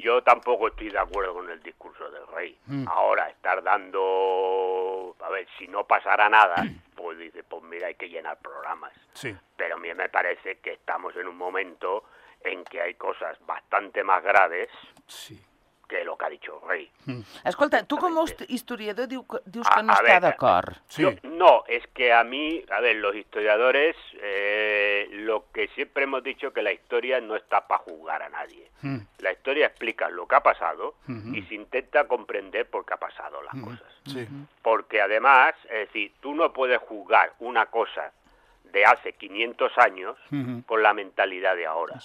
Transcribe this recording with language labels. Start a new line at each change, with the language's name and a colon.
Spanish: Yo tampoco estoy de acuerdo con el discurso del rey. Ahora, estar dando... A ver, si no pasara nada, pues dice, pues mira, hay que llenar programas. Sí. Pero a mí me parece que estamos en un momento en que hay cosas bastante más graves. Sí. Que lo que ha dicho el rey.
Catalan: Escolta, tu com a historiador dius que no està d'acord.
Spanish: Sí. No,
Catalan: és que a mi,
Spanish: a ver, los historiadores, lo que siempre hemos dicho que la historia no está para juzgar a nadie. La historia explica lo que ha pasado y se intenta comprender por qué ha pasado las cosas. Sí. Porque además, es decir, tú no puedes juzgar una cosa de hace 500 años con la mentalidad de ahora.